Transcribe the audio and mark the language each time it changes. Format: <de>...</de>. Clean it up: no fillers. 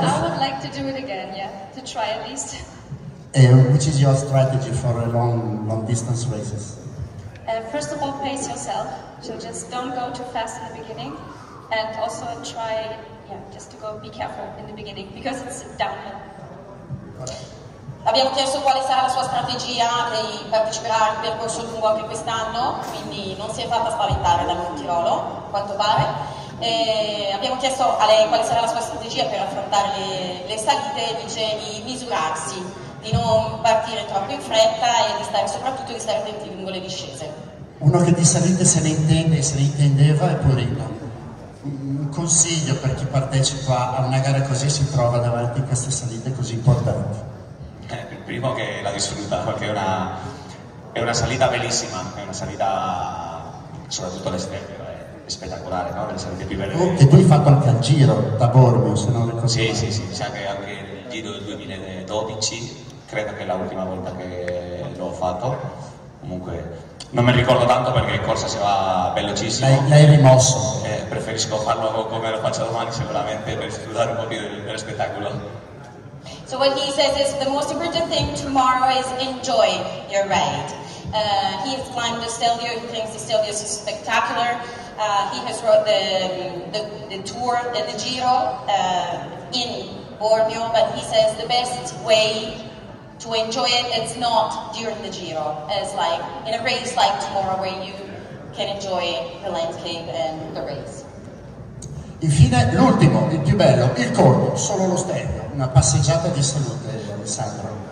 <en>I would like to do it again, yeah, to try at least. Which is your strategy for a long distance races? First of all, pace yourself. So just don't go too fast in the beginning. And also try, just to go, be careful in the beginning, because it's downhill.</en> <it>Abbiamo chiesto quale sarà la sua strategia di parteciperare al percorso lungo anche quest'anno, quindi non si è fatta spaventare dal Montirolo, a quanto pare. E abbiamo chiesto a lei quale sarà la sua strategia per affrontare le salite, dice di misurarsi, di non partire troppo in fretta e di stare soprattutto di stare attenti lungo le discese. Uno che di salite se ne intende, se ne intendeva, è Purino. Un consiglio per chi partecipa a una gara così e si trova davanti a queste salite così importanti. Primo che la disfruta, perché è una salita bellissima, è una salita soprattutto all'esterno, è spettacolare, no? Le salite più belle. E tu hai fatto anche il giro da Bormio, se non ricordo. Sì, c'è anche il giro del 2012, credo che è l'ultima volta che l'ho fatto. Comunque non mi ricordo tanto perché in corsa si va velocissimo. L'hai rimosso. Preferisco farlo come lo faccio domani, sicuramente per studiare un po' più dello spettacolo.</it> <en>So what he says is the most important thing tomorrow is enjoy your ride. He has climbed the Stelvio, he thinks the Stelvio is spectacular. He has rode the tour and the Giro in Bormio, but he says the best way to enjoy it is not during the Giro. It's like in a race like tomorrow where you can enjoy the landscape and the race.</en> <it>Infine l'ultimo, il più bello, il corvo, solo lo stemma, una passeggiata di salute, Alessandro.</it>